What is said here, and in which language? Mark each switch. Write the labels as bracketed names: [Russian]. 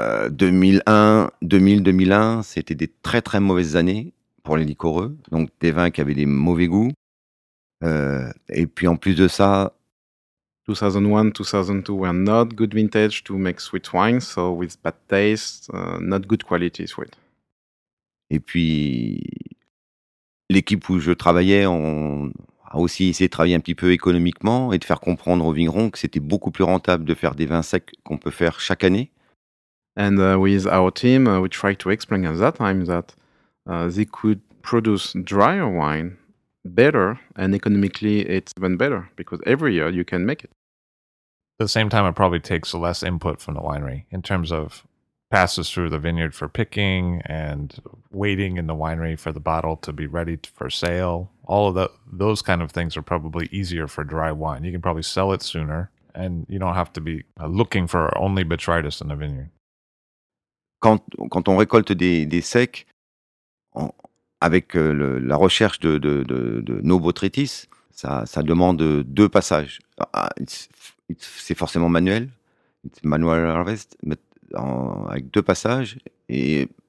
[French] 2001, c'était des très très mauvaises années pour les liquoreux, donc des vins qui avaient des mauvais goûts. Et puis en plus de ça, [English] 2001-2002 were not good vintage to make sweet wine, so with bad taste, not good quality sweet. [French] Et puis l'équipe où je travaillais, on a aussi essayé de travailler un petit peu économiquement et de faire comprendre aux vignerons que c'était beaucoup plus rentable de faire des vins secs qu'on peut faire chaque année. [English] And with our team, we tried to explain at that time that they could produce drier wine better, and economically it's even better, because every year you can make it. At the same time, it probably takes less input from the winery in terms of passes through the vineyard for picking and waiting in the winery for the bottle to be ready for sale. All of those kind of things are probably easier for dry wine. You can probably sell it sooner, and you don't have to be looking for only botrytis in the vineyard. [French] Quand on récolte des secs, avec la recherche de nos botrytis, ça demande deux passages. C'est forcément manuel, [English] manual harvest, [French] mais avec deux passages, et